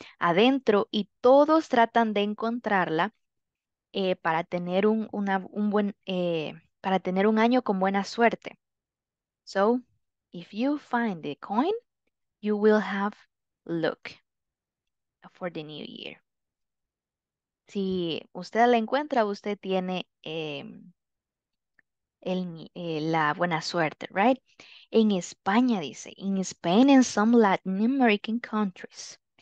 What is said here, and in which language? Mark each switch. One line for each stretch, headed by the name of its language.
Spanish: Adentro, y todos tratan de encontrarla para tener un buen para tener un año con buena suerte.
English: So, if you find the coin, you will have luck for the new year.
Spanish: Si usted la encuentra, usted tiene la buena suerte, right? En España, dice,
English: in Spain and some Latin American countries.